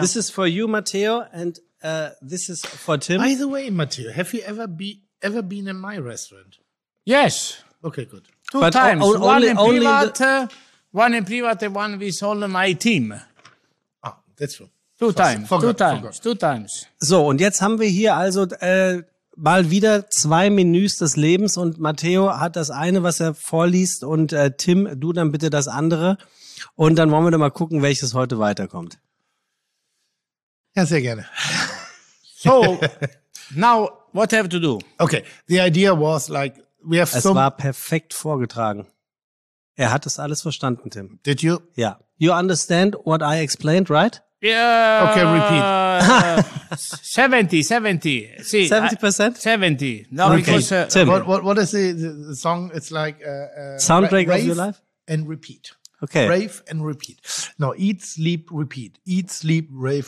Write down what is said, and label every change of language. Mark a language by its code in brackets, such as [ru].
[en] This is for you, Matteo, and this is for Tim. By the way, Matteo, have you ever been in my restaurant? Yes. Okay, good. Two times. One in private, one with all my team. Ah, that's true. Two times. [de] So, und jetzt haben wir hier also mal wieder zwei Menüs des Lebens und Matteo hat das eine, was er vorliest und Tim, du dann bitte das andere. Und dann wollen wir doch mal gucken, welches heute weiterkommt. Ja, sehr gerne. [en] So, now, what have to do? Okay, the idea was like, we have some... [de] Es war perfekt vorgetragen. Er hat das alles verstanden, Tim. [en] Did you? [de] Ja. [en] You understand what I explained, right? Yeah. Okay, repeat. 70%? 70%. No, okay. Because Tim. What is the song? It's like soundtrack of your life? And repeat. Okay. Rave and repeat. No, eat, sleep, repeat. Eat, sleep, rave,